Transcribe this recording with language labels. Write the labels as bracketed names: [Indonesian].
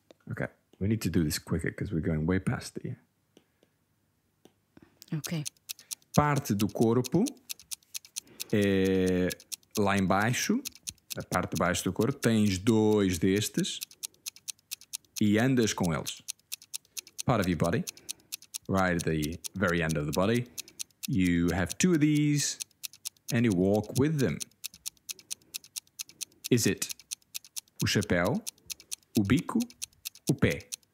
[English] Okay, we need to do this quicker because we're going way past the. Okay. [Portuguese] Parte do corpo é lá embaixo, a parte de baixo do corpo, tens dois destes. E andas com eles. [English] Part of your body. Right at the very end of the body. You have two of these. And you walk with them. Is it [Portuguese] o chapéu, o bico, o pé?